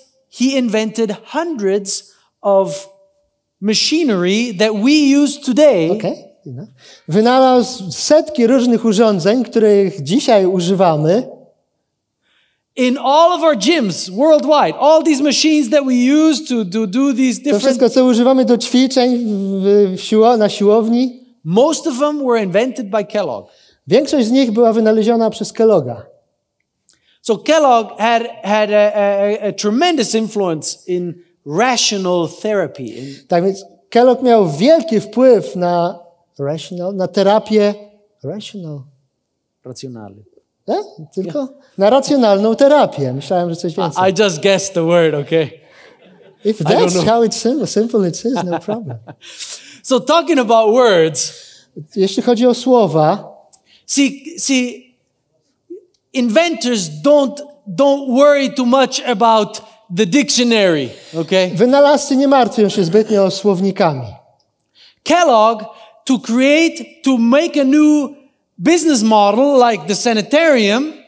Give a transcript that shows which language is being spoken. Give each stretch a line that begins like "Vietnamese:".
English: He invented hundreds of machinery that we use today. Okay. Enough.
Polish: Wynalazł setki różnych urządzeń, których dzisiaj używamy.
English: In all of our gyms worldwide, all these machines that we use to do these different.
Polish: To wszystko, co używamy do ćwiczeń na siłowni.
English: Most of them were invented by Kellogg.
Polish: Większość z nich była wynaleziona przez Kellogga.
English: So Kellogg had a tremendous influence in rational therapy.
Polish: Tak więc Kellogg miał wielki wpływ na rational, na terapię rational. Racjonalny. Nie? Tylko? Yeah. Na racjonalną terapię. Myślałem, że coś więcej.
English: I just guessed the word, okay? If that's how it's simple it is, no problem. So talking about words.
Polish: Jeśli chodzi o słowa.
English: See, inventors don't worry too much about the dictionary, okay?
Polish: Wynalazcy nie martwią się zbytnio o słownikami.
English: Kellogg, to make a new business model like the sanitarium.